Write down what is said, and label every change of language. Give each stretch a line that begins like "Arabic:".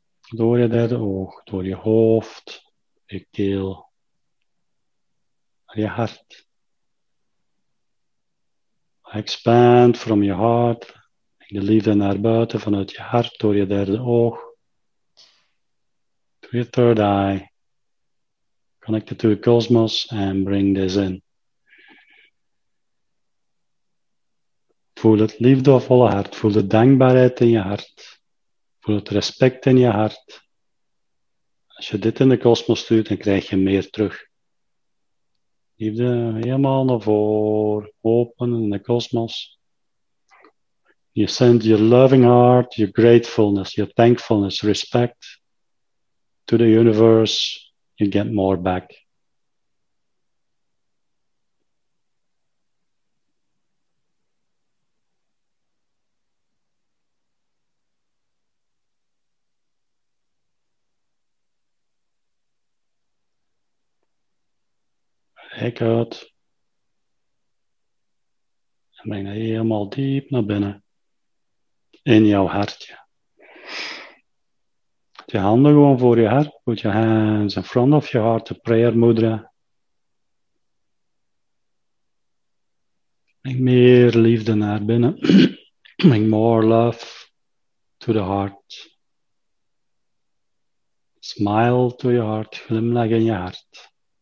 Dutch: Door je derde oog, door je hoofd, je keel, je hart.
English: Expand from your heart.
Dutch: Bring de liefde naar buiten vanuit je hart, door je derde oog.
English: To your third eye. Connect it to the cosmos and bring this in.
Dutch: Voel het liefdevolle hart. Voel de dankbaarheid in je hart. Voel het respect in je hart. Als je dit in de kosmos stuurt, dan krijg je meer terug. Liefde helemaal naar voren. Open in de kosmos.
English: You send your loving heart, your gratefulness, your thankfulness, respect to the universe. You get more back.
Dutch: Rek uit. En breng dat helemaal diep naar binnen. In jouw hartje. Je handen gewoon voor je hart.
English: Put your hands in front of your heart. A prayer mudra.
Dutch: Bring meer liefde naar binnen.
English: Bring more love to the heart. Smile to your heart.
Dutch: Glimlach in je hart.